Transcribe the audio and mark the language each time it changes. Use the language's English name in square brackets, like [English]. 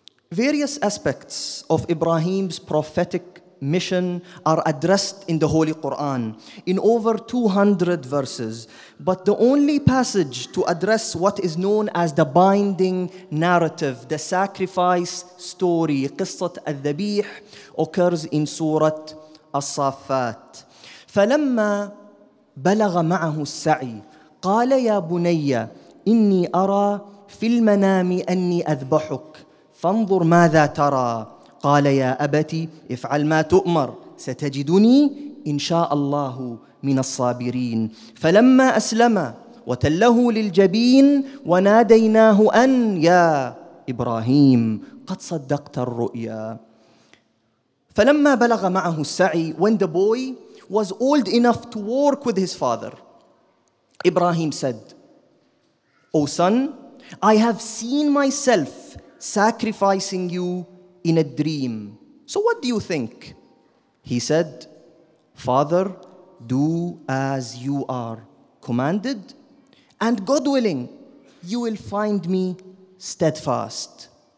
[English] Various aspects of Ibrahim's prophetic mission are addressed in the Holy Quran in over 200 verses, but the only passage to address what is known as the binding narrative, the sacrifice story, Qissat al-Dhabih, occurs in Surah الصافات. [Arabic] فلما بلغ معه السعي قال يا بني إني أرى في المنام أني أذبحك فانظر ماذا ترى قال يا أبتي افعل ما تؤمر ستجدني إن شاء الله من الصابرين فلما أسلم وتله للجبين وناديناه أن يا إبراهيم قد صدقت الرؤيا. فَلَمَّا بَلَغَ مَعَهُ السَّعِي. [English] When the boy was old enough to work with his father, Ibrahim said, O son, I have seen myself sacrificing you in a dream. So what do you think? He said, Father, do as you are commanded, and God willing, you will find me steadfast.